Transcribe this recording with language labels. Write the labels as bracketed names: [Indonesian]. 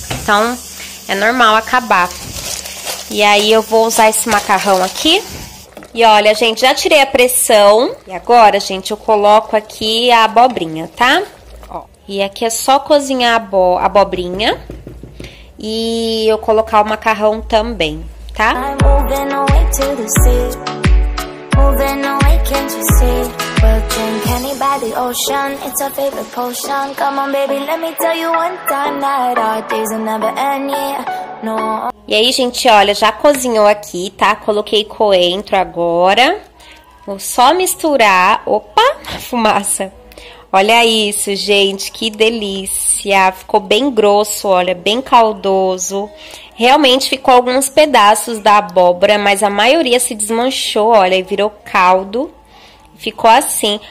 [Portuguese] Então, é normal acabar. E aí eu vou usar esse macarrão aqui. E olha, gente, já tirei a pressão. E agora, gente, eu coloco aqui a abobrinha, tá? Ó. E aqui é só cozinhar a abobrinha. E eu colocar o macarrão também, tá? [English] I'm moving away to the sea. Moving away, can't you see? We'll drink any by the ocean. It's our favorite potion. Come on, baby, let me tell you one time that our days will never end, yeah. No. [Portuguese] E aí, gente, olha, já cozinhou aqui, tá? Coloquei coentro agora. Vou só misturar. Opa, fumaça. Olha isso, gente, que delícia. Ficou bem grosso, olha, bem caldoso. Realmente ficou alguns pedaços da abóbora, mas a maioria se desmanchou, olha, e virou caldo. Ficou assim.